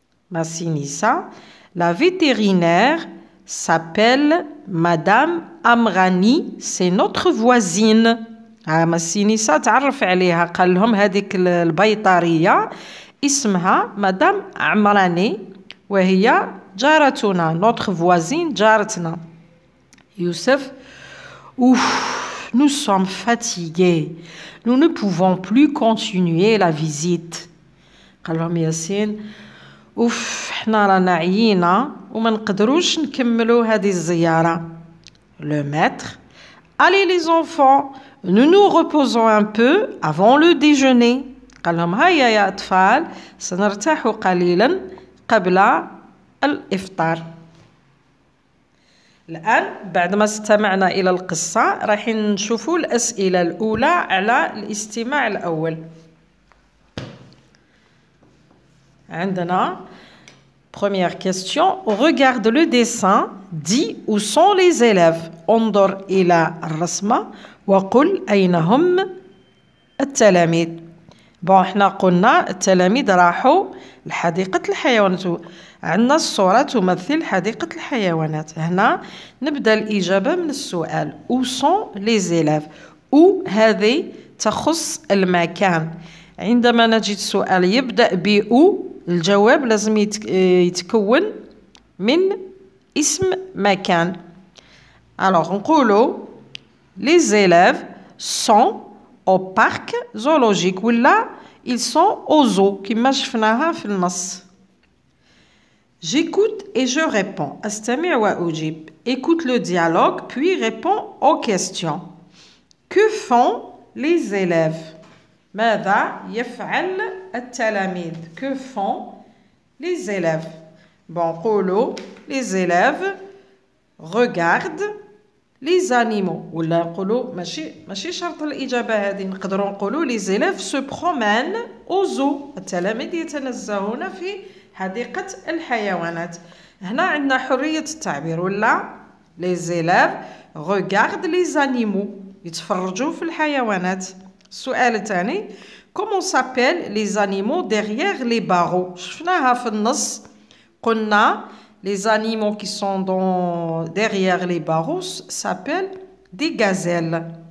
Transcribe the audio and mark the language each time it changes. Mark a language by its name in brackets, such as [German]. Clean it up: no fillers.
[French] ماسينيسا: لا فيتيرينير سابيل مدام امغاني سي نوتر فوازين. [Arabic] ماسينيسا تعرف عليها قال لهم هذيك البيطريه اسمها مدام عمراني وهي جارتنا، [French] notre voisine [Arabic] جارتنا. [French] يوسف: Ouf, nous sommes fatigués. Nous ne pouvons plus continuer la visite. [Arabic] قال لهم ياسين: Ouf, حنا رانا عيينا وما نقدروش نكملوا هذه الزيارة. [French] Le maître: Allez les enfants, nous nous reposons un peu avant le déjeuner. [Arabic] قال لهم: هيا يا أطفال، سنرتاحوا قليلا قبل الإفطار. الآن بعد ما استمعنا إلى القصة راح نشوفوا الأسئلة الأولى على الاستماع الأول. عندنا [French] première question. Regarde le dessin. Dis où sont les élèves. [Arabic] انظر إلى الرسمة وقل أين هم التلاميذ. بون حنا قلنا التلاميذ راحوا لحديقة الحيوانات. عندنا الصورة تمثل حديقة الحيوانات. هنا نبدأ الإجابة من السؤال. [French] Où sont les élèves؟ Où [Arabic] هذه تخص المكان. عندما نجد سؤال يبدأ ب où الجواب لازم يتكون من اسم مكان. [French] Alors [Arabic] نقولوا [French] les élèves sont au parc zoologique ou là ils sont au zoo [Arabic] كما شفناها في النص. [French] J'écoute et je réponds. [Arabic] استمع واجيب. [French] Écoute le dialogue puis réponds aux questions. Que font les élèves? [Arabic] ماذا يفعل التلاميذ? [French] Que font les élèves? Bon, [Arabic] قولوا [French] les élèves regardent les animaux. [Arabic] ولا نقولوا ماشي شرط الاجابه هذه. نقدروا نقولوا [French] les élèves se promènent au zoo. [Arabic] التلاميذ يتنزهون في حديقة الحيوانات. هنا عندنا حرية التعبير ولا [French] les élèves regardent les animaux. [Arabic] يتفرجوا في الحيوانات. سؤال ثاني. [French] Comment s'appellent les animaux derrière les barreaux? [Arabic] شفناها في النص. قلنا [French] les animaux qui sont derrière les barreaux s'appellent des gazelles.